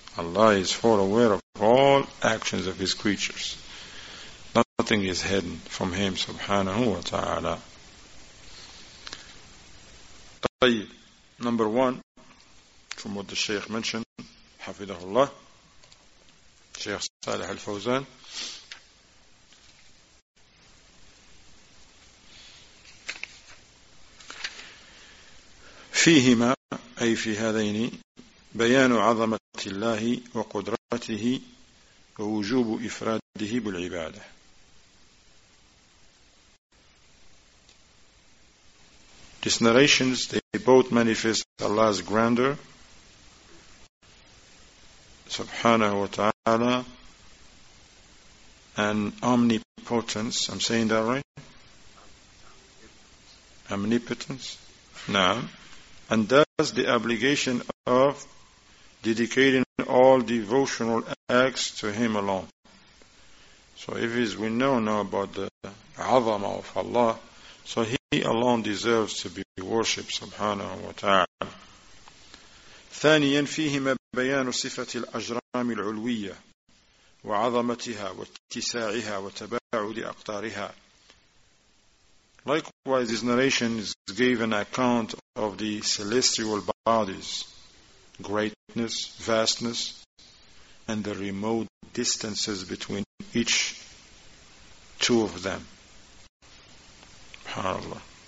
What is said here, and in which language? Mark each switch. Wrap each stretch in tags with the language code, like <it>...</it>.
<en>Allah is full aware of all actions of His creatures. Nothing is hidden from Him سبحانه وتعالى.</en> <ar>طيب,</ar> <en>number one, from what the Shaykh mentioned,</en> <ar>حفظه الله, Shaykh صالح الفوزان, فيهما أي في هذين بيان عظمة الله وقدرته ووجوب إفراده بالعبادة.</ar> <en>These narrations, they both manifest Allah's grandeur subhanahu wa ta'ala and omnipotence. I'm saying that right? Omnipotence. Naam. And thus the obligation of dedicating all devotional acts to Him alone. So if we know now about the azama of Allah, so He alone deserves to be worshipped, subhanahu wa ta'ala.</en> <ar>ثانياً فيهما بيان صفة الأجرام العلوية وعظمتها واتساعها وتباعد أقطارها.</ar> <en>Likewise, this narration gave an account of the celestial bodies, greatness, vastness, and the remote distances between each two of them. SubhanAllah.</en>